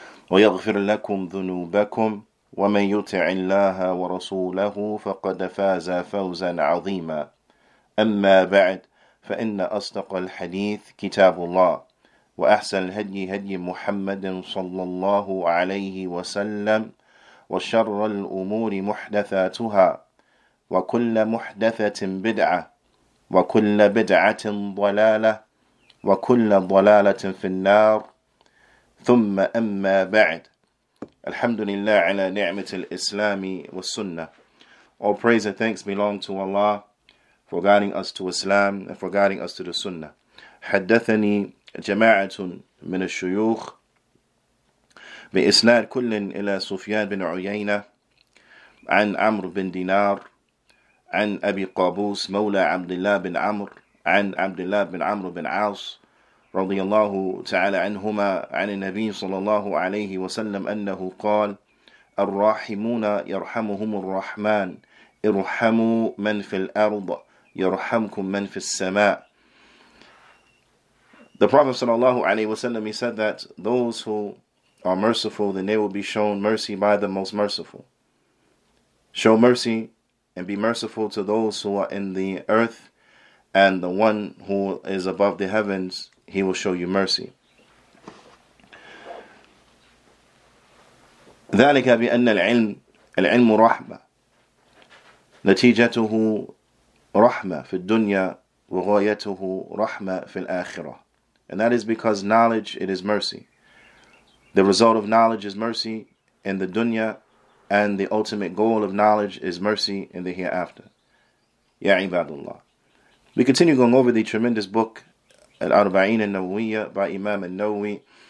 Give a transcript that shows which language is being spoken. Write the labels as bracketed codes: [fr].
[ar] ويغفر لكم ذنوبكم ومن يطع الله ورسوله فقد فاز فوزا عظيما أما بعد فإن أصدق الحديث كتاب الله وأحسن الهدي هدي محمد صلى الله عليه وسلم وشر الأمور محدثاتها وكل محدثة بدعة وكل بدعة ضلالة وكل ضلالة في النار ثم أما بعد الحمد لله على نعمة الإسلام والسنة. [en] All praise and thanks belong to Allah for guiding us to Islam and for guiding us to the Sunnah. [ar] حدثني جماعة من الشيوخ بإسناد كل إلى سفيان بن عيينة عن عمرو بن دينار عن أبي قابوس مولى عبد الله بن عمرو عن عبد الله بن عمرو بن عاص رضي الله تعالى عنهما عن النبي صلى الله عليه وسلم أنه قال الراحمون يرحمهم الرحمن ارحموا من في الأرض يرحمكم من في السماء. [en] The Prophet sallallahu alaihi wasallam, he said that those who are merciful, then they will be shown mercy by the most merciful. Show mercy and be merciful to those who are in the earth, and the one who is above the heavens, he will show you mercy. [ar] ذلك بأن العلم العلم رحمة نتيجته رحمة في الدنيا وغايته رحمة في الآخرة. [en] And that is because knowledge, it is mercy. The result of knowledge is mercy in the dunya, and the ultimate goal of knowledge is mercy in the hereafter. Ya ibadullah. We continue going over the tremendous book, Al-Arba'een al-Nawwiyya by Imam al-Nawwi.